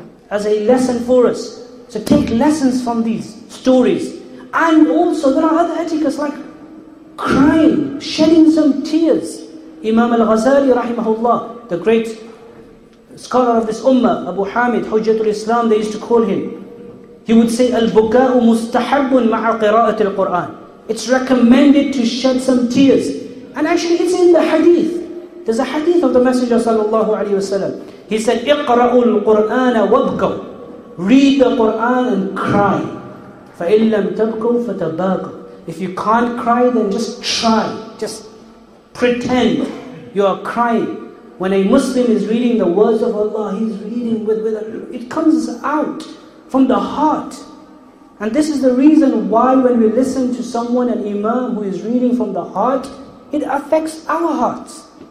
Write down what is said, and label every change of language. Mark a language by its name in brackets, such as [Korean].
[English] As a lesson for us. So take lessons from these stories. And also there are other etiquettes like crying, shedding some tears. Imam al-Ghazali rahimahullah, the great scholar of this ummah, Abu Hamid, Hujjatul Islam, they used to call him. He would say, [Arabic] أَلْبُكَاءُ مُسْتَحَبٌ مَعَ قِرَاءَةِ الْقُرْآنِ. [English] It's recommended to shed some tears. And actually it's in the hadith. There's a hadith of the Messenger sallallahu alayhi wa sallam. He said, [Arabic] اقرأوا القرآن وابكوا. [English] Read the Quran and cry. [Arabic] فَإِن لَمْ تَبْكُوا فَتَبَاكُوا. [English] If you can't cry, then just try. Just pretend you are crying. When a Muslim is reading the words of Allah, he's reading with it comes out from the heart. And this is the reason why when we listen to someone, an imam who is reading from the heart, it affects our hearts.